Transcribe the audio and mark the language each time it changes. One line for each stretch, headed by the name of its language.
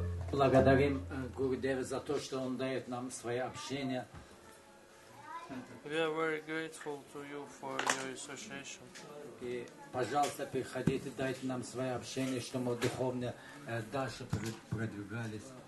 Russian: Благодарим Гурудева за то, что он дает нам свое общение.
English: We are very grateful to you for your association.
Russian: И, пожалуйста, приходите, дайте нам свое общение, чтобы мы духовно дальше продвигались.